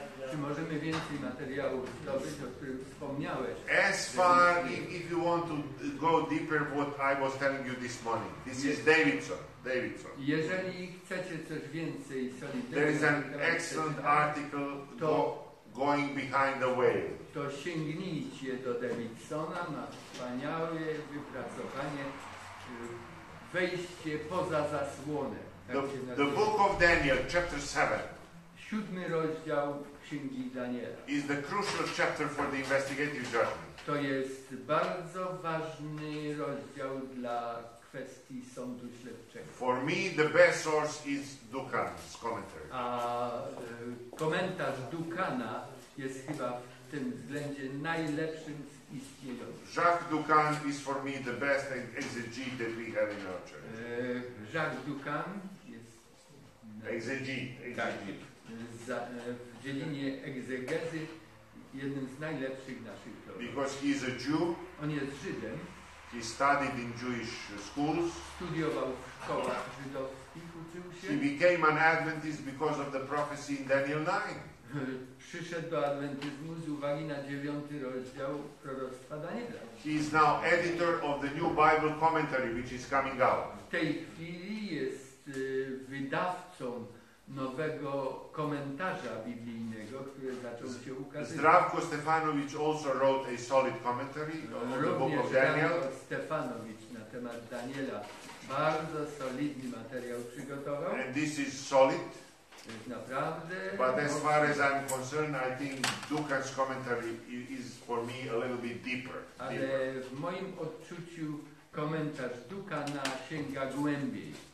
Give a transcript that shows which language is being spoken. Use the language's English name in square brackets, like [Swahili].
[Polish] Czy możemy więcej materiałów zdobyć, o którym wspomniałeś? [English] As far, if you want to go deeper, what I was telling you this morning, this is Davidson. [Polish] Jeżeli chcecie coś więcej, [English] there is an excellent article going behind the whale. [Polish] To sięgnijcie do Davidsona, ma wspaniałe wypracowanie, wejście poza zasłonę. [English] The book of Daniel, chapter 7. [Polish] Siódmy rozdział Księgi Daniela. [English] Is the crucial chapter for the investigative judgment. [Polish] To jest bardzo ważny rozdział dla kwestii sądu śledczego. [English] For me the best source is Dukan's commentary. [Polish] A komentarz Dukana jest chyba w tym względzie najlepszym z istniejących. [English] Jacques Dukan is for me the best exegete that we have in our church. [Polish] Jacques Dukan jest [English] exegete. [Polish] W dzielinie egzegezy jednym z najlepszych naszych teologów. [English] Because he is a Jew. [Polish] On jest Żydem. [English] He studied in Jewish schools. [Polish] Studiował w szkołach żydowskich, uczył się. [English] He became an Adventist because of the prophecy in Daniel 9. [Polish] Przyszedł do adwentyzmu z uwagi na 9 rozdział proroctwa Daniela. [English] He is now editor of the new Bible commentary, which is coming out. [Polish] W tej chwili jest wydawcą nowego komentarza biblijnego, który zaczął się ukazywać. [English] Zdravko Stefanović also wrote a solid commentary on the book of Daniel. [Polish] Stefanović na temat Daniela bardzo solidny materiał przygotował. [English] And this is solid. [Polish] Jest naprawdę. [English] But as far as I'm concerned, I think Dukan's commentary is for me a little bit deeper. [Polish] Ale w moim odczuciu komentarz Dukana sięga głębiej.